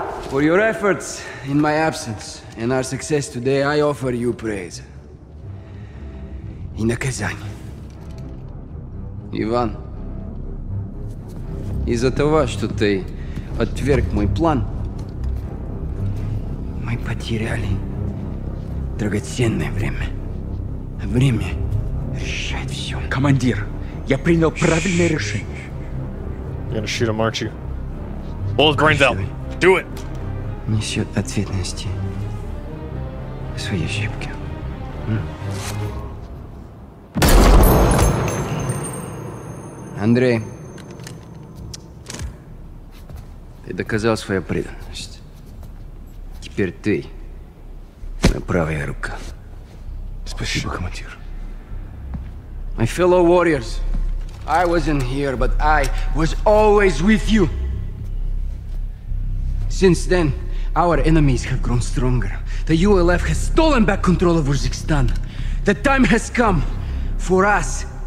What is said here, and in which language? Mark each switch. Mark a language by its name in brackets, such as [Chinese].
[English] For your efforts in my absence and our success today, I offer you praise. [Russian] И наказание. Иван, из-за того, что ты отверг мой план. Мы потеряли драгоценное время. Время решает все. Командир, я принял правильное решение. [English] You're gonna shoot him, aren't you? Blow his brains out. Do it. [Russian] Несет ответственности свои ошибки. Андрей, ты доказал свою преданность. Теперь ты моя правая рука. Спасибо, командир. [English] My fellow warriors, I wasn't here, but I was always with you. Since then, our enemies have grown stronger. The ULF has stolen back control of Urzikstan. The time has come for us